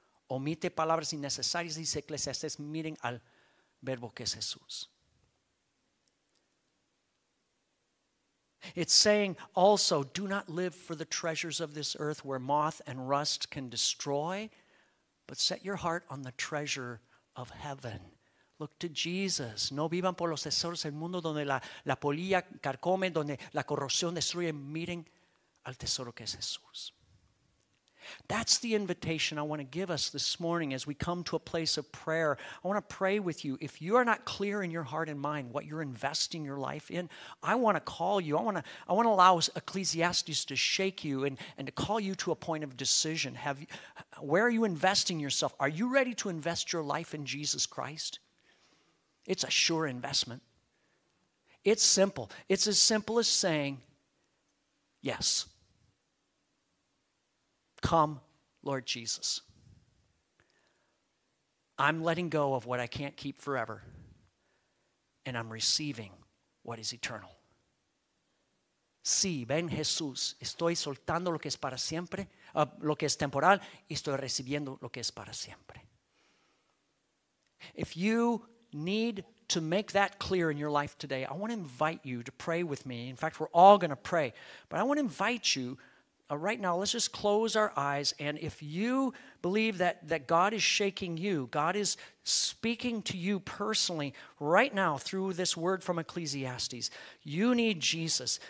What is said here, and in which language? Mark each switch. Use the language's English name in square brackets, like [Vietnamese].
[Spanish] Omite palabras innecesarias, dice Ecclesiastes, miren al verbo que es Jesús. [English] It's saying also, do not live for the treasures of this earth where moth and rust can destroy, but set your heart on the treasure of heaven. Look to Jesus. [Spanish] No vivan por los tesoros del mundo donde la polilla carcome, donde la corrosión destruye. Miren al tesoro que es Jesús. [English] That's the invitation I want to give us this morning as we come to a place of prayer. I want to pray with you. If you are not clear in your heart and mind what you're investing your life in, I want to call you. I want to allow Ecclesiastes to shake you and to call you to a point of decision. Where are you investing yourself? Are you ready to invest your life in Jesus Christ? It's a sure investment. It's simple. It's as simple as saying, yes. Come, Lord Jesus. I'm letting go of what I can't keep forever, and I'm receiving what is eternal. [Spanish] Sí, ven Jesús. Estoy soltando lo que es para siempre, lo que es temporal, y estoy recibiendo lo que es para siempre. [English] If you need to make that clear in your life today, I want to invite you to pray with me. In fact, we're all going to pray. But I want to invite you right now, let's just close our eyes. And if you believe that God is shaking you, God is speaking to you personally right now through this word from Ecclesiastes, you need Jesus.